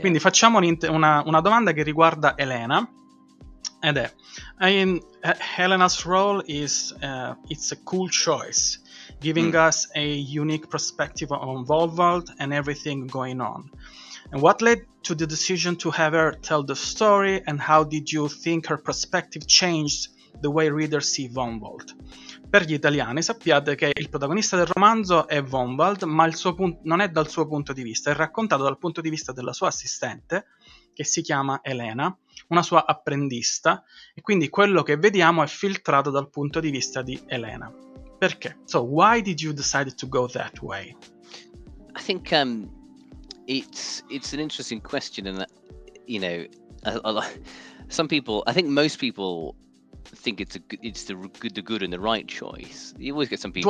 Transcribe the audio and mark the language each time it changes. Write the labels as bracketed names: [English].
[Italian] Quindi facciamo una domanda che riguarda Elena, ed è: [English] Elena's role is it's a cool choice, giving us a unique perspective on Volvald and everything going on. And what led to the decision to have her tell the story? And how did you think her perspective changed the way readers see Volvald? [Italian] Per gli italiani, sappiate che il protagonista del romanzo è Volvald, ma non è dal suo punto di vista, è raccontato dal punto di vista della sua assistente, che si chiama Elena, una sua apprendista, e quindi quello che vediamo è filtrato dal punto di vista di Elena. Perché? [English] So, why did you decide to go that way? I think it's an interesting question, and you know, some people, I think most people think it's the good and the right choice. You always get some people.